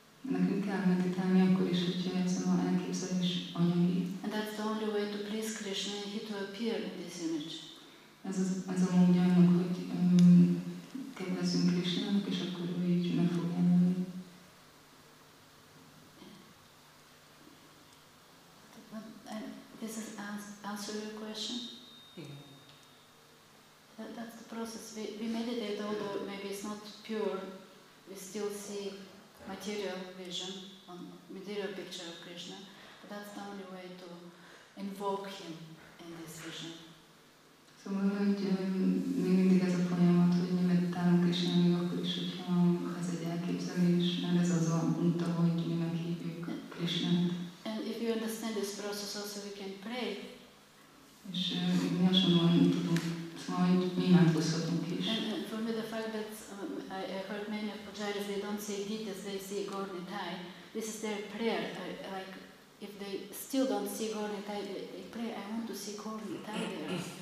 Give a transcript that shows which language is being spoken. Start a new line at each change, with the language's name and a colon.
Hungarian: Nekünk kell meditálni akkor is, hogyha ez a elképzelés anyagi.
English: And that's the only way to please Krishna, and he to appear in this image.
Hungarian: Ez a módja annak, hogy kedvezünk Krisnának, és akkor ő így meg fog jelenni.
English: This is answer your question?
Hungarian: Igen.
English: That's the process. We meditate, although maybe it's not pure, we still see material vision, material picture of Krishna. But that's the only way to invoke him in this vision.
Hungarian: Szóval, hogy még mindig ez a folyamat, hogy mi meditálunk és nem jó, akkor is, hogyha ez egy elképzelés, mert ez az a munta, hogy mi meghívjuk Krishnát.
English: And if you understand this process also, we can pray.
Hungarian: És mi hasonlóan tudunk, szóval, hogy mi imádkozhatunk is.
English: And for me the fact that I heard many of Pujaris, they don't say Gitas, they say Gorni Thai. This is their prayer, like, if they still don't see Gorni Thai, they pray, I want to see Gorni Thai there.